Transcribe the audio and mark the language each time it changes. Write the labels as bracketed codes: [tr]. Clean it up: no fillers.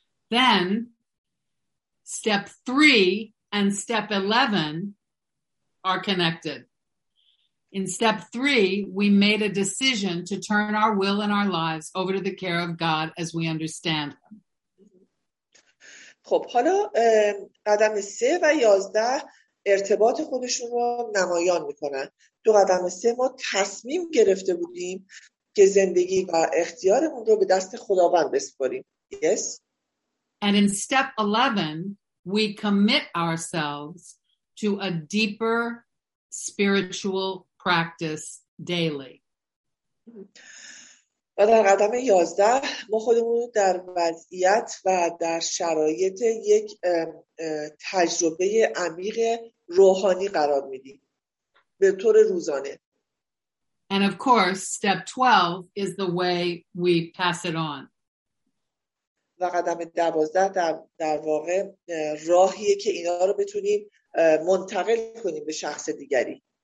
[en] Then step 3 and step 11 are connected. In step 3, we made a decision to turn our will and our lives over to the care of God as we understand him. [fa] خب حالا قدم 3 و 11 ارتباط خودشون رو نمایان میکنن. تو قدم 3 ما تصمیم گرفته بودیم که زندگی و اختیارمون رو به دست خداوند بسپاریم. [en] Yes. And in step 11, we commit ourselves to a deeper spiritual practice daily. [fa] و در قدم 11 ما خودمون در وضعیت و در شرایط یک تجربه عمیق روحانی قرار میدیم به طور روزانه. [en] And of course, step 12 is the way we pass it on. [fa] و قدم 12 در واقع راهیه که اینا رو بتونیم منتقل کنیم به شخص دیگری.